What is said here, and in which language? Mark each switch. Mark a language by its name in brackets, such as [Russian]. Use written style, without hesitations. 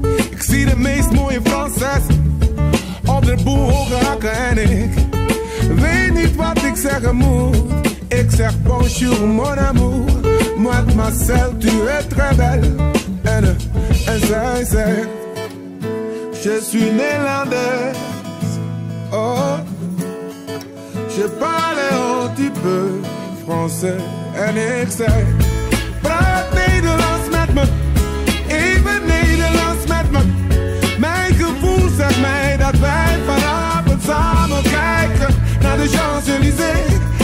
[Dutch] Ik zie de meest mooie Franses op de boel hakken en ik weet niet wat ik zeggen moet. Ik zeg [French] bonjour mon amour, mademoiselle tu es très belle. [Dutch] En zij zegt, [French] je suis [Dutch] Nederlandse. [French] Oh, je parle un petit peu français. [Dutch] En ik zeg, praat Nederlands met me, even Nederlands met me. Mijn gevoel zegt mij dat wij vanavond samen kijken naar de Champs-Élysées.